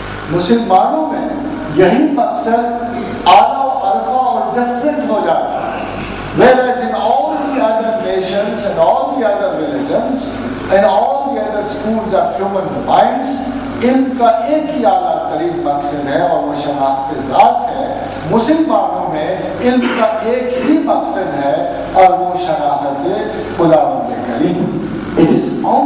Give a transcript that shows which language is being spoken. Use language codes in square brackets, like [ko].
[ur] مسلمانوں میں یہی مقصد اعلیٰ و ارفع اور ڈفرینٹ ہو جاتا ہے. [en] Whereas in all the other nations and all the other religions and all the other schools of human minds [ur] علم کا ایک ہی اعلیٰ ترین مقصد ہے اور وہ شناخت ذات ہے. مسلمانوں میں علم کا ایک ہی مقصد ہے اور وہ شناخت خدا بند کریم.